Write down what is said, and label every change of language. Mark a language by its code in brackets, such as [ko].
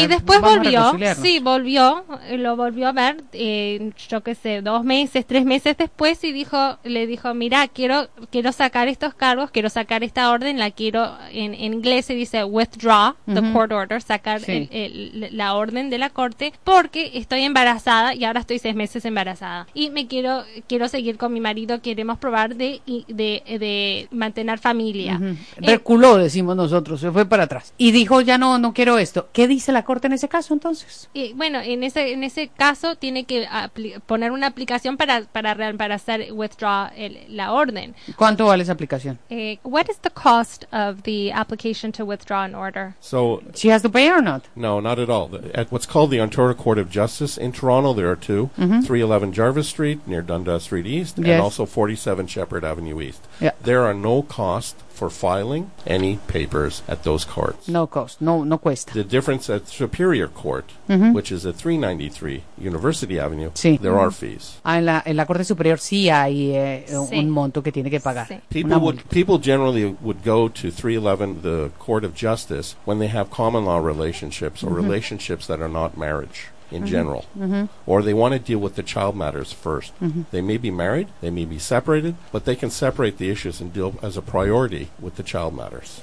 [es] Y después volvió, sí, volvió, lo volvió a ver, yo qué sé, 2 meses, 3 meses después, y le dijo, mira, quiero sacar estos cargos, quiero sacar esta orden, la quiero, en inglés se dice [en] withdraw the court order, [es] sacar la orden de la corte, porque estoy embarazada y ahora estoy 6 meses embarazada y me quiero seguir con mi marido, queremos probar de mantener familia. Reculó, decimos nosotros, se fue para atrás y dijo ya no quiero esto. ¿Qué dice la corte en ese caso entonces? Bueno, en ese caso tiene que poner una aplicación para hacer withdraw la orden. ¿Cuánto vale esa aplicación? [en] What is the cost of the application to withdraw an order? So she has to pay or not? No, not at all. At what's called the Ontario Court of Justice in Toronto, there are two, 311 Jarvis Street near Dundas Street East, yes, and also 47 Shepherd Avenue East. Yeah. There are no cost for filing any papers at those courts. No cost, [es] no cuesta. [en] The difference at Superior Court, which is at 393 University Avenue, [es] sí, [en] there are fees. [es] Ah, en la Corte Superior sí hay un monto que tiene que pagar. Sí. [en] People generally would go to 311, the Court of Justice, when they have common law relationships or relationships that are not marriage. In general, or they want to deal with the child matters first. They may be married, they may be separated, but they can separate the issues and deal as a priority with the child matters.